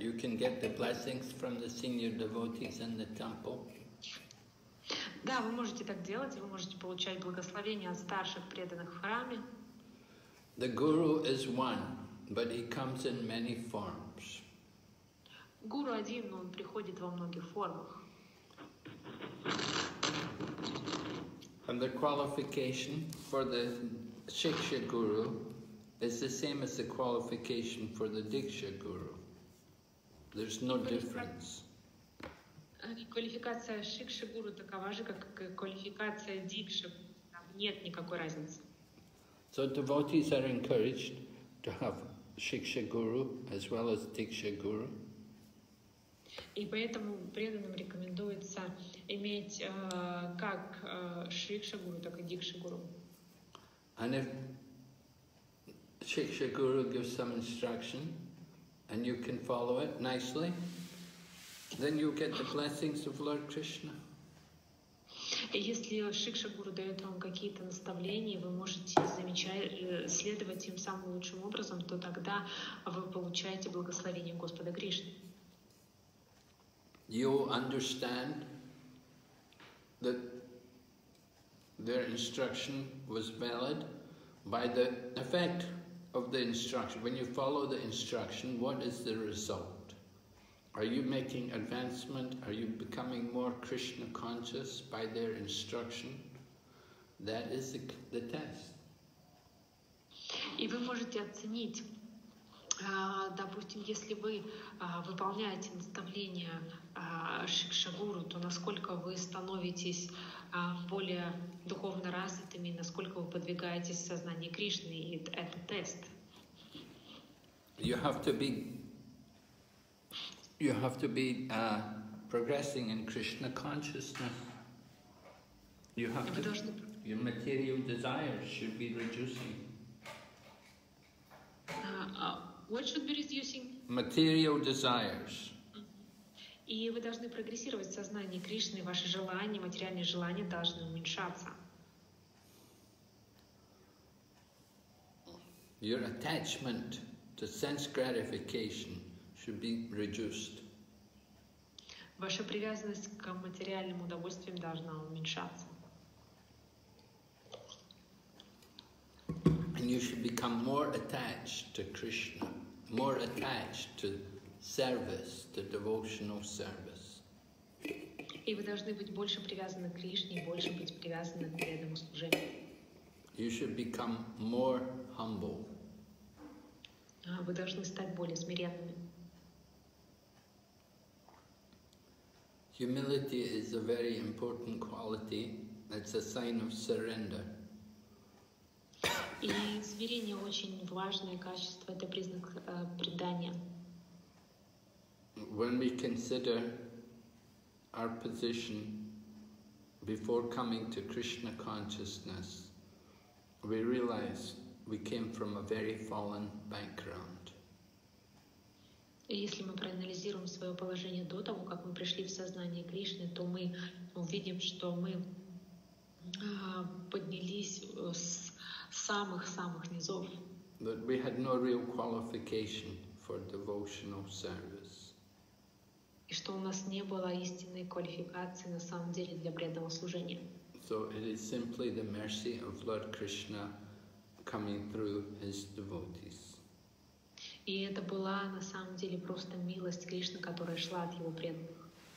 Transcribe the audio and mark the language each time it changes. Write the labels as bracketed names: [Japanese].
[English] You can get the blessings from the senior devotees in the temple. [Russian] Да, вы можете так делать, вы можете получать благословение от старших преданных в храме. [English] The guru is one, but he comes in many forms. [Russian] Гуру один, но он приходит во многих формах. [English] And the qualification for the Shiksha guru is the same as the qualification for the Diksha guru. There's no difference. [Russian] Квалификация Шикши Гуру такова же, как квалификация Дикши. Нет никакой разницы. [English] So devotees are encouraged to have Шикши Гуру as well as Дикши Гуру. [Russian] И поэтому преданным рекомендуется иметь как Шикши Гуру, так и Дикши Гуру. [English] And if Шикши Гуру gives some instruction and you can follow it nicely, then you get the blessings of Lord Krishna. [Russian] Если Шикша Гуру дает вам какие-то наставления, вы можете следовать им самым лучшим образом, то тогда вы получаете благословение Господа Кришны. [English] You understand that their instruction was valid by the effect of the instruction. When you follow the instruction, what is the result? Are you making advancement? Are you becoming more Krishna conscious by their instruction? That is the test. [Russian] И вы можете оценить, допустим, если вы выполняете наставления Шикша Гуру, то насколько вы становитесь более духовно развитыми, насколько вы подвигаетесь в сознании Кришны, и это тест. [English] You have to be progressing in Krishna consciousness. Your material desires should be reducing. What should be reducing? Material desires. [Russian] И вы должны прогрессировать в сознании Кришны, ваши желания, материальные желания должны уменьшаться. [English] Your attachment to sense gratification should be reduced. [Russian] Ваша привязанность к материальным удовольствиям должна уменьшаться. [English] And you should become more attached to Krishna, more attached to service, to devotional service. [Russian] И вы должны быть больше привязаны к Кришне, больше быть привязаны к преданному служению. [English] You should become more humble. [Russian] Вы должны стать более смиренными. [English] Humility is a very important quality. It's a sign of surrender. [Russian] И смирение очень важное качество. Это признак предания. [English] When we consider our position before coming to Krishna consciousness, we realize we came from a very fallen background. [Russian] И если мы проанализируем свое положение до того, как мы пришли в сознание Кришны, то мы увидим, что мы поднялись с самых-самых низов. [English] But we had no real qualification for devotional service. [Russian] И что у нас не было истинной квалификации на самом деле для преданного служения. [English] So it is simply the mercy of Lord Krishna coming through his devotees. [Russian] И это была на самом деле просто милость Кришны, которая шла от его преданных.